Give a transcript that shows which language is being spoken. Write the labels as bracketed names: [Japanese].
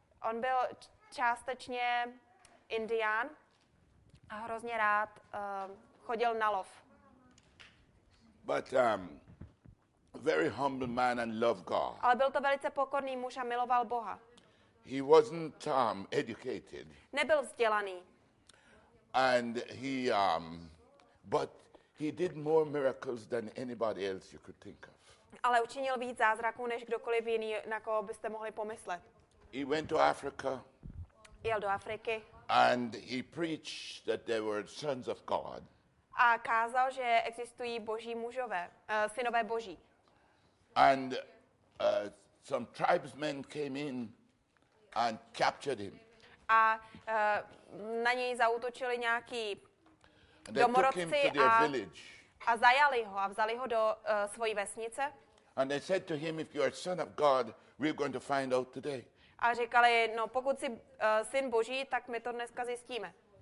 [Czech] On byl částečně Indian a hrozně rád chodil na lov. [English] But very humble man and loved God. [Czech] Ale byl to velice pokorný muž a miloval Boha. [English] He wasn't educated. [Czech] Nebyl vzdělaný. [English] And he but he did more miracles than anybody else you could think of. [Czech] Ale učinil víc zázraků než kdokoliv jiný, na koho byste mohli pomyslet. [English] He went to Africa. [Czech] Jel do Afriky. [English] And he preached that they were sons of God. [Czech] A kázal, že existují boží mužové, synové boží. [English] And some tribesmen came in and captured him. [Czech] A na něj zaútočili nějaký domorodci a zajali ho a vzali ho do svojí vesnice. [English] And they said to him, if you are son of God, we're going to find out today. [Czech] A říkali, no pokud jsi syn Boží, tak my to dneska zjistíme.